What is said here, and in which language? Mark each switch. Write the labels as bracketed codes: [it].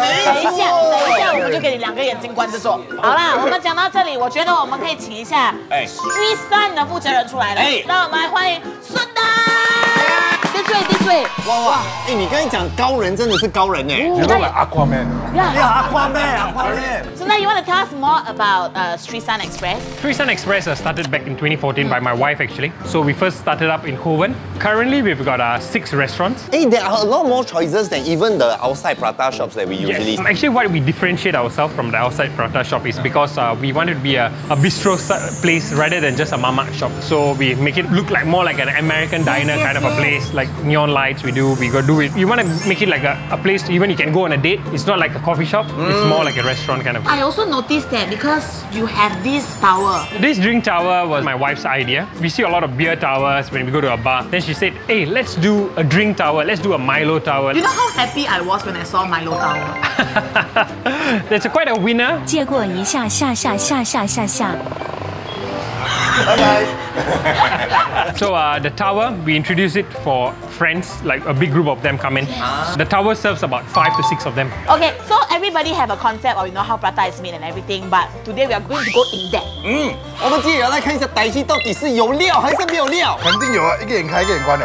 [zh] 等一下，等一下，我们就给你两个眼睛关着做。好了，我们讲到这里，我觉得我们可以请一下Srisun的负责人出来了。让我们来欢迎孙达。哇哇！你刚才讲高人真的是高人哎，你叫我 Aquaman，你好 Aquaman， Aquaman。 [en] So now you want to tell us more about Srisun Express? Srisun Express started back in 2014 by my wife actually. So we first started up in Kovan. Currently we've got 6 restaurants. There are a lot more choices than even the outside prata shops that we usually. Yes. Actually, why we differentiate ourselves from the outside prata shop is because we wanted to be a bistro place rather than just a mamak shop. So we make it look like more like an American diner kind of a place, like neon light. We do it. You want to make it like a place even you can go on a date. It's not like a coffee shop. It's more like a restaurant kind of. I also noticed that because you have this tower. This drink tower was my wife's idea. We see a lot of beer towers when we go to a bar. Then she said, hey, let's do a drink tower. Let's do a Milo tower. You know how happy I was when I saw Milo tower? That's quite a winner. [zh] 借过一下下下下下下下。 [en] Bye-bye. So the tower, we introduce it for friends, like a big group of them come in. Yes. The tower serves about 5 to 6 of them. Okay, so everybody have a concept of you know how PRATA is made and everything, but today we are going to go in depth. [zh] 我们今天要来看一下大Hee到底是有料还是没有料。肯定有啊，一个眼开一个眼关的。